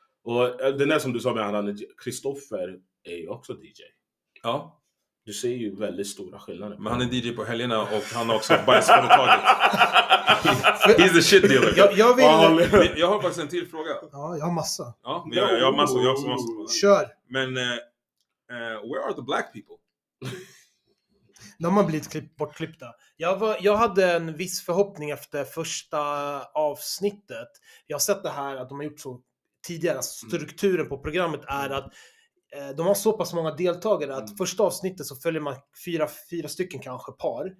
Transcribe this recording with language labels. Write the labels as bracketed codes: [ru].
[sv] Och den där som du sa med han, Kristoffer är ju också DJ. Ja. Du ser ju väldigt stora skillnader. Men han är DJ på helgerna och han har också bajsföretaget. [en] He's the shit dealer. [sv] Jag vill... jag har faktiskt en till fråga. Ja, jag har massa. Ja, jag har massa. Jag har också massa. Kör. Men, [en] where are the black people? [sv] De har blivit bortklippta. Jag hade en viss förhoppning efter första avsnittet. Jag har sett det här att de har gjort så tidigare. Strukturen på programmet är att de har så pass många deltagare att första avsnittet så följer man fyra stycken kanske par.